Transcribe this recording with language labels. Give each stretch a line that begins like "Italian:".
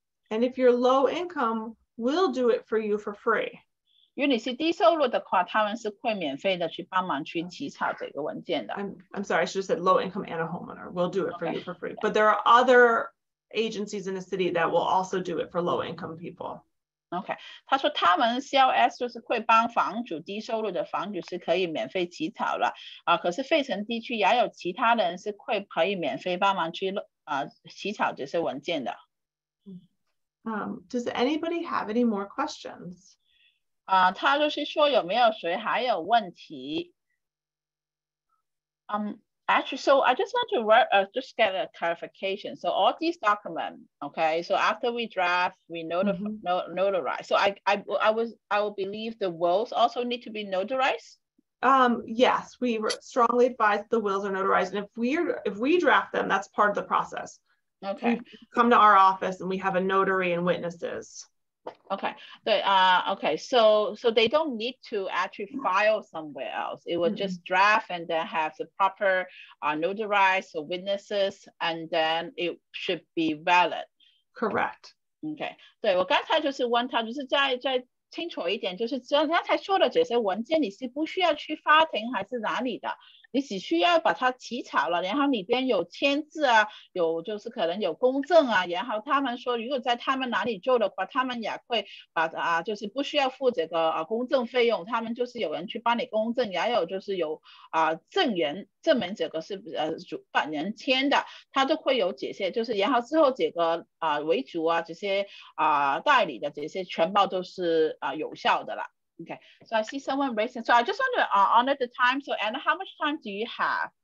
English: And if you're low income, we'll do it for you for free.
Chinese: 如果你是低收入的话，他们是会免费的去帮忙去起草这个文件的。
English: I'm sorry, I should have said low income and a homeowner. We'll do it for you for free. But there are other agencies in the city that will also do it for low income people.
Chinese: Okay, 他说他们 CLS 就是会帮房主低收入的房主是可以免费起草了，可是费城地区也有其他人是会可以免费帮忙去起草这些文件的。
English: Does anybody have any more questions?
Chinese: 他就是说有没有谁还有问题？
English: Actually, so I just want to just get a clarification. So all these documents, okay, so after we draft, we notarize. Mm-hmm. So I will believe the wills also need to be notarized? Yes, we strongly advise the wills are notarized. And if we draft them, that's part of the process. Okay. We come to our office and we have a notary and witnesses. Okay. So they don't need to actually file somewhere else. It will just draft and then have the proper notarized or witnesses, and then it should be valid. Correct. Okay.
Chinese: 对，我刚才就是问他，就是再清楚一点，就是刚才说的这些文件，你是不需要去法庭还是哪里的？你只需要把它起草了，然后里边有签字啊，有就是可能有公证啊，然后他们说如果在他们哪里做的话，他们也会把啊，就是不需要付这个啊公证费用，他们就是有人去帮你公证，也有就是有啊证人证明这个是主办人签的，他都会有这些，就是然后之后这个啊为主啊这些啊代理的这些全部都是啊有效的了。
English: Okay, so I see someone raising. So I just want to honor the time. So Anna, how much time do you have?